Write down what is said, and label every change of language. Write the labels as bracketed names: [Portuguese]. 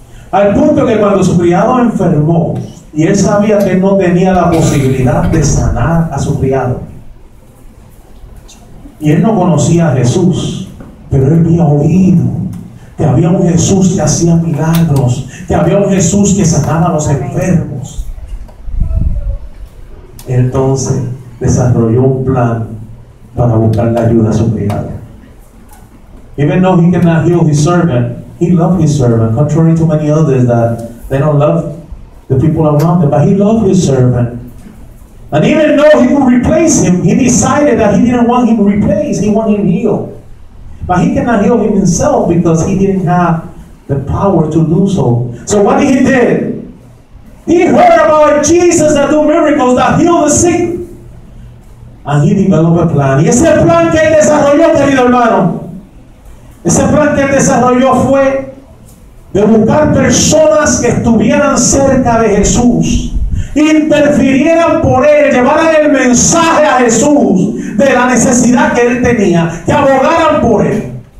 [Spanish] Al punto que cuando su criado enfermó, y él sabía que no tenía la posibilidad de sanar a su criado, y él no conocía a Jesús, pero él había oído que había un Jesús que hacía milagros, que había un Jesús que sanaba a los enfermos. Entonces desarrolló un plan para buscar la ayuda a su criado. [English] Even though he cannot heal his servant, he loved his servant, contrary to many others that they don't love the people around him, but he loved his servant. And even though he could replace him, he decided that he didn't want him replaced, he wanted him healed. But he cannot heal him himself because he didn't have the power to do so. So what he did? He heard about Jesus that do miracles, that heal the sick. And he developed a plan. [Spanish] Y ese plan que él desarrolló, querido hermano, ese plan que él desarrolló fue de buscar personas que estuvieran cerca de Jesús, interfirieran por él, llevaran el mensaje a Jesús de la necesidad que él tenía, que abogaran por él.